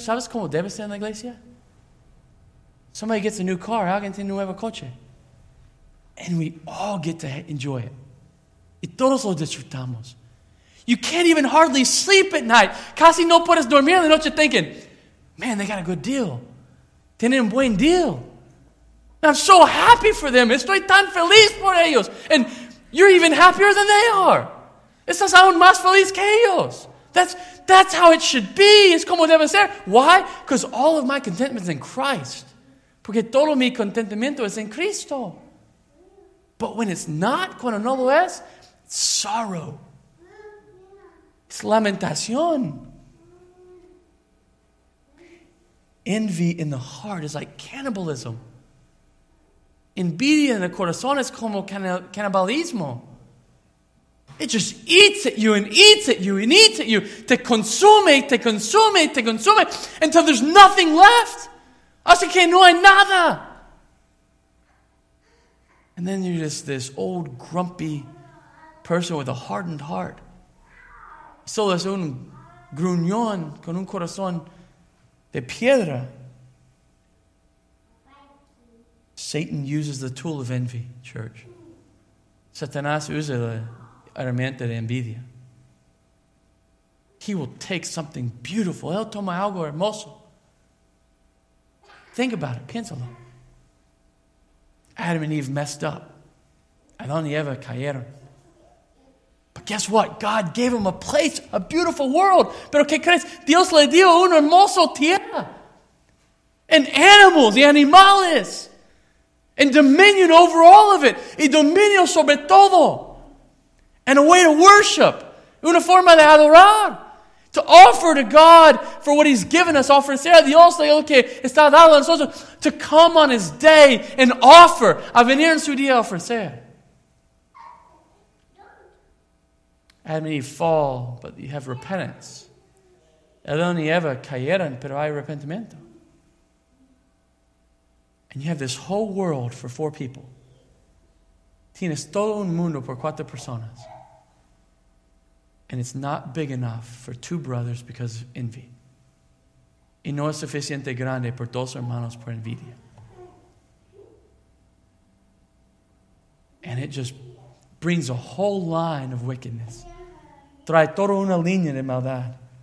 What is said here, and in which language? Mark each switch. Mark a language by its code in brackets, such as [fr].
[es] ¿Sabes cómo debe ser en la iglesia? [en] Somebody gets a new car. [es] Alguien tiene un nuevo coche. [en] And we all get to enjoy it. [es] Y todos lo disfrutamos. [en] You can't even hardly sleep at night. [es] Casi no puedes dormir en la noche [en] thinking, man, they got a good deal. [es] Tienen un buen deal. [en] And I'm so happy for them. [es] Estoy tan feliz por ellos. [en] And you're even happier than they are. [es] Estás aún más feliz que ellos. [en] That's how it should be. [es] Es como debe ser. [en] Why? Because all of my contentment is in Christ. [es] Porque todo mi contentamiento es en Cristo. [en] But when it's not, [es] cuando no lo es, [en] it's sorrow. It's lamentación. Envy in the heart is like cannibalism. [es] Envidia en el corazón es como cannibalismo. [en] It just eats at you and eats at you and eats at you. [es] Te consume, te consume, te consume [en] until there's nothing left. [es] Hasta que no hay nada. [en] And then you're just this old grumpy person with a hardened heart. [es] Solo es un gruñón con un corazón de piedra. [en] Satan uses the tool of envy, church. [es] Satanás usa la herramienta de envidia. [en] He will take something beautiful. [es] Él toma algo hermoso. [en] Think about it. [es] Piénsalo. [en] Adam and Eve messed up. [es] Adán y Eva cayeron. [en] But guess what? God gave him a place, a beautiful world. [es] Pero qué crees? Dios le dio un hermoso tierra. [en] And animals, [es] y animales. [en] And dominion over all of it. [es] Y dominio sobre todo. [en] And a way to worship. [es] Una forma de adorar. [en] To offer to God for what he's given us. [es] Ofrecer a Dios lo que está dado a nosotros. [en] To come on his day and offer. [es] A venir en su día ofrecer. [en] Adam and Eve fall, but you have repentance. [es] Adán y Eva cayeron, pero hay arrepentimiento. [en] And you have this whole world for four people. [es] Tienes todo un mundo por cuatro personas. [en] And it's not big enough for two brothers because of envy. [es] Y no es suficiente grande por dos hermanos por envidia. [en] And it just brings a whole line of wickedness. [es] Trae toda una línea de maldad.